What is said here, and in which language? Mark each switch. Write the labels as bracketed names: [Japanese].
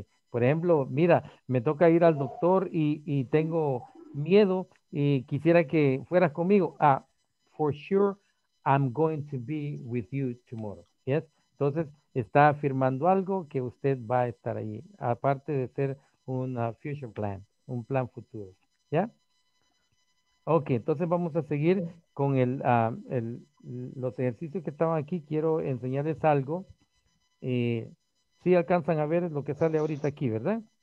[Spanish] Por ejemplo, mira, me toca ir al doctor y tengo miedo y quisiera que fueras conmigo. [English] For sure, I'm going to be with you tomorrow. Yes? [Spanish] Entonces, está afirmando algo que usted va a estar ahí, aparte de ser un future plan, un plan futuro, ¿ya? Ok, entonces vamos a seguir con los ejercicios que estaban aquí. Quiero enseñarles algo. Sí alcanzan a ver lo que sale ahorita aquí, ¿verdad?